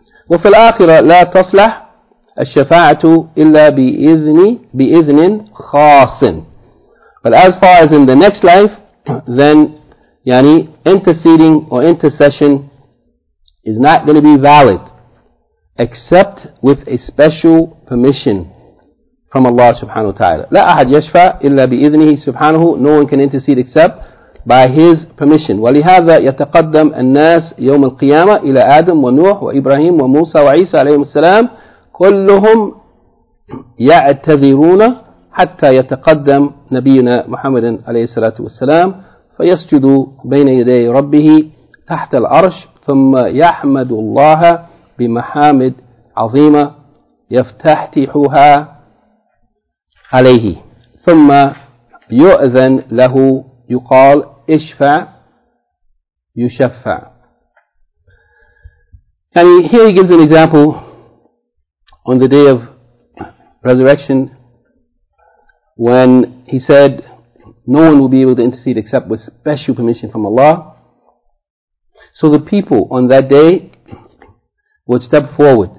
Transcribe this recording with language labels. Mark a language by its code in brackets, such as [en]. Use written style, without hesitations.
[ar] وفي الآخرة لا تصلح الشفاعة إلا بإذن خاص. [en] But as far as in the next life, then yani interceding or intercession is not going to be valid except with a special permission from Allah subhanahu wa ta'ala. [ar] لا أحد يشفع إلا بإذنه سبحانه. [en] No one can intercede except by his permission. [ar] ولهذا يتقدم الناس يوم القيامة إلى آدم ونوح وإبراهيم وموسى وعيسى عليهم السلام كلهم يعتذرون حتى يتقدم نبينا محمد عليه الصلاة والسلام فيسجد بين يدي ربه تحت العرش ثم يحمد الله بمحامد عظيمة يفتتحها عليه ثم يؤذن له يقال اشفع يشفع. [en] And here he gives an example on the day of resurrection when he said no one will be able to intercede except with special permission from Allah. So the people on that day would step forward.